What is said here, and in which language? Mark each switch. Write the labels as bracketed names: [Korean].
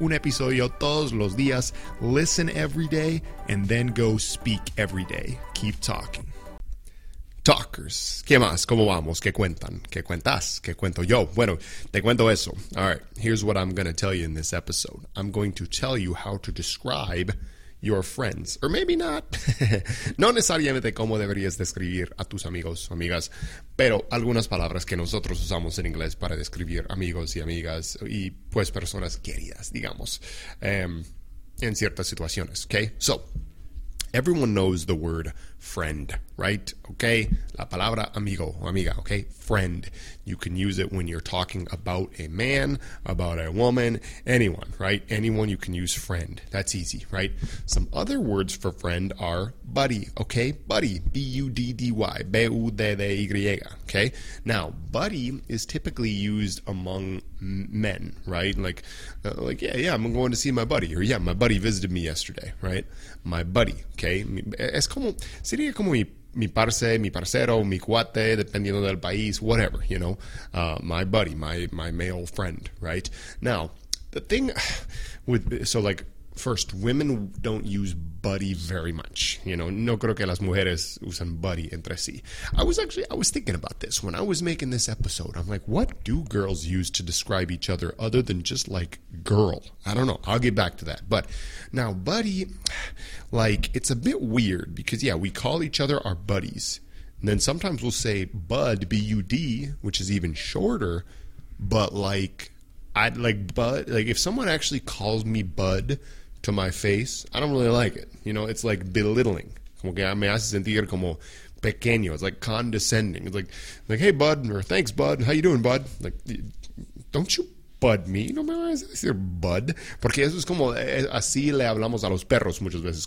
[Spanish] Un episodio todos los días. [English] Listen every day and then go speak every day. Keep talking. Talkers, [Spanish] ¿qué más? ¿Cómo vamos? ¿Qué cuentan? ¿Qué cuentas? ¿Qué cuento yo? Bueno, te cuento eso. [English] All right, here's what I'm going to tell you in this episode. I'm going to tell you how to describe your friends. Or maybe not. [Spanish] No necesariamente cómo deberías describir a tus amigos o amigas, pero algunas palabras que nosotros usamos en inglés para describir amigos y amigas y pues personas queridas, digamos, en ciertas situaciones. [English] Okay, so everyone knows the word friend, right? Okay, [Spanish] la palabra amigo o amiga, [English] okay? Friend. You can use it when you're talking about a man, about a woman, anyone, right? Anyone, you can use friend. That's easy, right? Some other words for friend are buddy, okay? Buddy, B-U-D-D-Y, B-U-D-D-Y, okay? Now, buddy is typically used among men, right? Like yeah, I'm going to see my buddy, or yeah, my buddy visited me yesterday, right? My buddy, okay? [Spanish] Es como, sería como mi parce, mi parcero, mi cuate, dependiendo del país, [English] whatever, you know. My buddy, my male friend, right? Now, the thing with, so like, first, women don't use buddy very much, you know. [Spanish] No creo que las mujeres usen buddy entre sí. [English] I was thinking about this when I was making this episode. I'm like, what do girls use to describe each other other than just like girl? I don't know. I'll get back to that. But now, buddy, like, it's a bit weird because, yeah, we call each other our buddies. And then sometimes we'll say bud, B-U-D, which is even shorter. But like, I'd like bud, like if someone actually calls me bud to my face, I don't really like it. You know, it's like belittling. [Spanish] Como que me hace sentir como pequeño. [English] It's like condescending. It's like hey bud, or thanks bud, how you doing bud? Like, don't you bud me? [Spanish] No me vas a decir bud. Porque eso es como así le hablamos a los perros muchas veces.